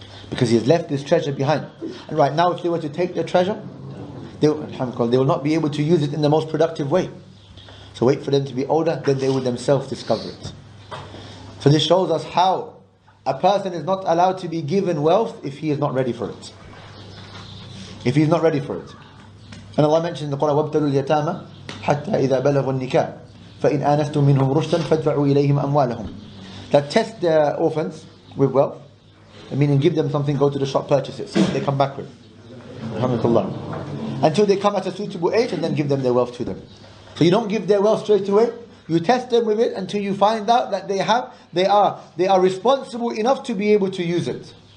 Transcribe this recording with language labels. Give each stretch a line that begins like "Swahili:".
English: Because he has left this treasure behind. And right now, if they were to take the treasure, they will not be able to use it in the most productive way. So wait for them to be older, then they will themselves discover it. So this shows us how a person is not allowed to be given wealth if he is not ready for it. If he is not ready for it.
Arabic: And Allah mentioned in the Quran, وَابْتَلُوا الْيَتَامَ حَتَّى إِذَا بَلَغُوا النِّكَاءَ فَإِنْ آنَسْتُمْ مِنْهُمْ رُشْدًا فَادْفَعُوا إِلَيْهِمْ أَمْوَالَهُمْ
English: That test the orphans with wealth. Meaning give them something, go to the shop, purchase it, see what they come back with. Alhamdulillah. Until they come at a suitable age and then give them their wealth to them. So you don't give their wealth straight away. You test them with it until you find out that they are responsible enough to be able to use it.